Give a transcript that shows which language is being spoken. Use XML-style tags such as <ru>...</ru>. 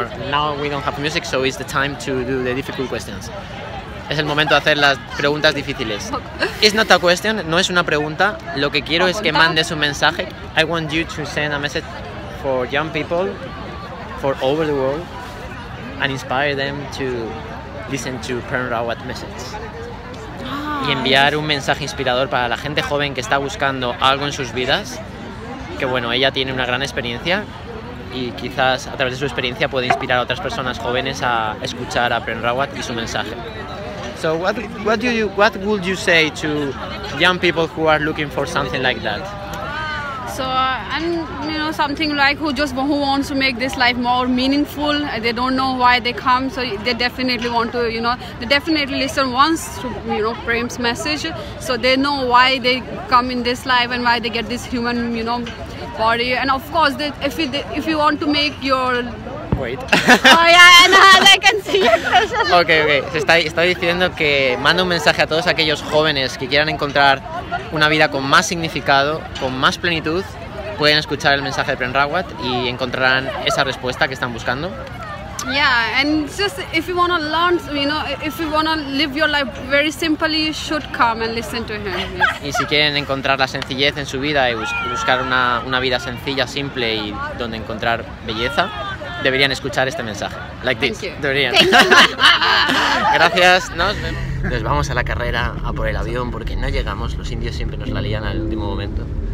<en>Now we don't have music, so it's the time to do the difficult questions.</en> <es>Es el momento de hacer las preguntas difíciles.</es> <en>It's not a question,</en> <es>no es una pregunta. Lo que quiero es que mandes un mensaje.</es> <en>I want you to send a message for young people for over the world and inspire them to listen to Pern Rawat message.</en> <es>Y enviar un mensaje inspirador para la gente joven que está buscando algo en sus vidas, que bueno, ella tiene una gran experiencia y quizás a través de su experiencia puede inspirar a otras personas jóvenes a escuchar a Pern Rawat y su mensaje.</es> <en>So what would you say to young people who are looking for something like that? So and you know, something like who wants to make this life more meaningful, they don't know why they come, so they definitely want to, you know, they definitely listen once to, you know, Prem's message, so they know why they come in this life and why they get this human, you know, body. And of course they, if you want to make your wait oh yeah no, they can see your question.</en> <es>Okay, se está diciendo que manda un mensaje a todos aquellos jóvenes que quieran encontrar una vida con más significado, con más plenitud, pueden escuchar el mensaje de Pern Rawat y encontrarán esa respuesta que están buscando.</es> <en>Yeah, and just if you want to learn, you know, if you want to live your life very simply, you should come and listen to him.</en> <es>Y si quieren encontrar la sencillez en su vida y buscar una vida sencilla, simple y donde encontrar belleza, deberían escuchar este mensaje.</es> <en>Like this. Thank you.</en> <es>Deberían.</es> <en>Thank</en> <es>you. Gracias, nos vemos. Nos vamos a la carrera a por el avión porque no llegamos, los indios siempre nos la lían al último momento.</es>